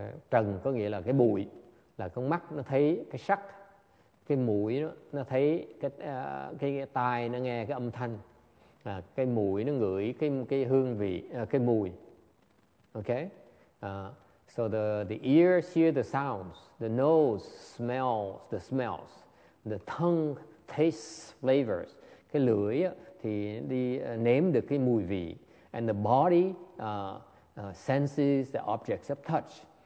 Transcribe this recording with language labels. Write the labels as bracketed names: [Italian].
[Vietnamese] Trần có nghĩa là cái bụi, là con mắt nó thấy cái sắc, cái mũi nó thấy cái tai nó nghe cái âm thanh, cái mũi nó ngửi cái hương vị, cái mùi. Okay? [English] So the ears hear the sounds, the nose smells the smells, the tongue tastes flavors. [Vietnamese] Cái lưỡi thì đi nếm được cái mùi vị. [English] And the body senses the objects of touch.